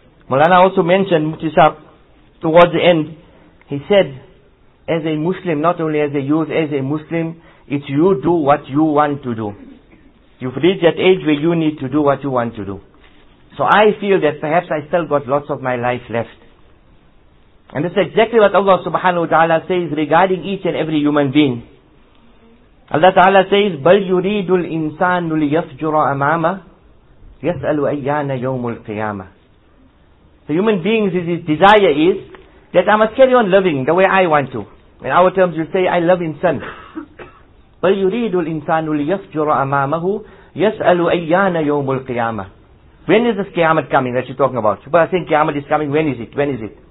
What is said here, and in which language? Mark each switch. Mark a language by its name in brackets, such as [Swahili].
[English] Maulana also mentioned, Mutisab, towards the end, he said, as a Muslim, not only as a youth, as a Muslim, it's you do what you want to do. You've reached that age where you need to do what you want to do. So I feel that perhaps I still got lots of my life left. And that's exactly what Allah subhanahu wa ta'ala says regarding each and every human being. Allah ta'ala says, [Arabic] بَلْ يُرِيدُ الْإِنسَانُ لِيَفْجُرَ أَمَامَهُ يَسْأَلُ أَيَّانَ يَوْمُ الْقِيَامَةِ. [English] The human being's desire is that I must carry on living the way I want to. In our terms, you say, I live in sin. [Arabic] بَلْ يُرِيدُ الْإِنسَانُ لِيَفْجُرَ أَمَامَهُ يَسْأَلُ أَيَّانَ يَوْمُ الْقِيَامَةِ. [English] When is this Qiyamah coming that you're talking about? People are saying Qiyamah is coming. When is it? When is it?